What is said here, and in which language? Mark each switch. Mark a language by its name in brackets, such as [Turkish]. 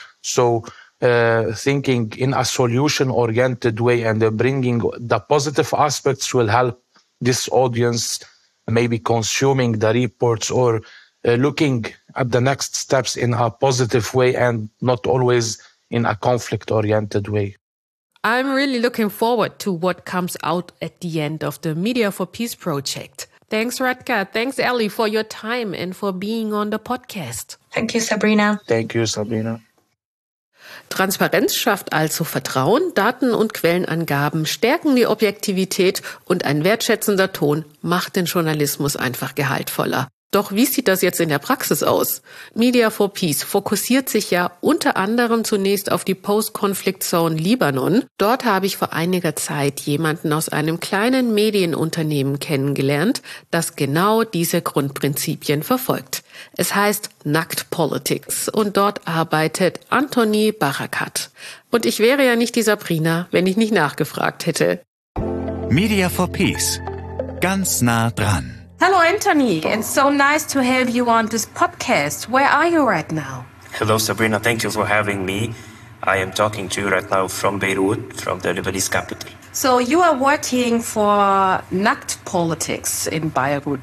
[English] So thinking in a solution-oriented way and bringing the positive aspects will help this audience maybe consuming the reports or looking at the next steps in a positive way and not always in a conflict-oriented way. I'm really looking forward to what comes out at the end of the Media for Peace project. Thanks, Radka. Thanks, Ellie, for your time and for being on the podcast. Thank you, Sabrina. Thank you, Sabrina. [German] Transparenz schafft also Vertrauen, Daten und Quellenangaben stärken die Objektivität und ein wertschätzender Ton macht den Journalismus einfach gehaltvoller. Doch wie sieht das jetzt in der Praxis aus? Media for Peace fokussiert sich ja unter anderem zunächst auf die Post-Conflict-Zone Libanon. Dort habe ich vor einiger Zeit jemanden aus einem kleinen Medienunternehmen kennengelernt, das genau diese Grundprinzipien verfolgt. Es heißt Nackt Politics und dort arbeitet Anthony Barakat. Und ich wäre ja nicht die Sabrina, wenn ich nicht nachgefragt hätte. Media for Peace. Ganz nah dran. [English] Hello, Anthony. It's so nice to have you on this podcast. Where are you right now? Hello, Sabrina. Thank you for having me. I am talking to you right now from Beirut, from the Lebanese capital. So you are working for Nackt Politics in Beirut.